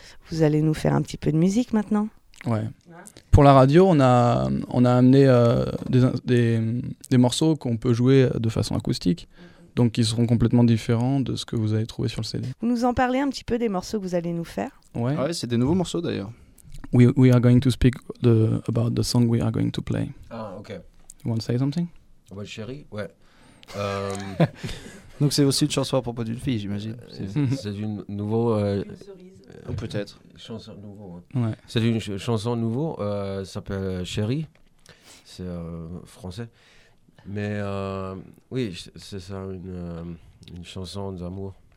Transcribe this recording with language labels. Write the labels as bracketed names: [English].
[French] Vous allez nous faire un petit peu de musique maintenant? Ouais. Pour la radio, on a amené des morceaux qu'on peut jouer de façon acoustique. Donc, ils seront complètement différents de ce que vous avez trouvé sur le CD. Vous nous en parlez un petit peu des morceaux que vous allez nous faire? Ouais. Ouais, c'est des nouveaux morceaux d'ailleurs. [English] We are going to speak about the song we are going to play. Ah, ok. You want to say something? [French] Ouais, chérie, ouais. Donc, c'est aussi une chanson à propos d'une fille, j'imagine. C'est une nouveau. Ou peut-être. Chanson nouveau. Hein. Ouais. C'est une chanson nouveau, ça s'appelle Chérie. C'est français. Mais oui, c'est ça, une chanson d'amour.